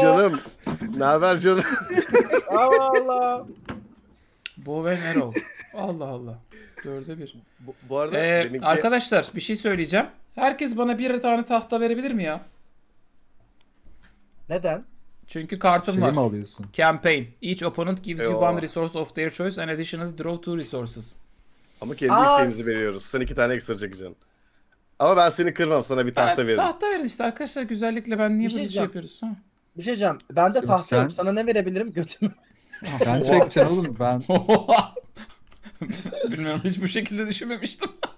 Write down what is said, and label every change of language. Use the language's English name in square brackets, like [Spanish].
[Turkish] Canım. Ne haber canım? Allah Allah. Bu ve Nero. Allah Allah. Dörde bir. Bu arada benimki... Arkadaşlar bir şey söyleyeceğim. Herkes bana bir tane tahta verebilir mi ya? Neden? Çünkü kartım şey var. Mi alıyorsun? [English] Campaign. Each opponent gives you one resource of their choice and additional draw two resources. [Turkish] Ama kendi isteğimizi veriyoruz. Sen iki tane ekstra çekeceksin. Ama ben seni kırmam. Sana bir tahta veririm. Tahta verin işte arkadaşlar. Güzellikle ben niye böyle şey yapıyoruz? Ha? Bir şey diyeceğim. Ben de tahta yok. Sana ne verebilirim? Götümü. Ben çekeceğim oğlum ben. Bilmiyorum hiç bu şekilde düşünmemiştim.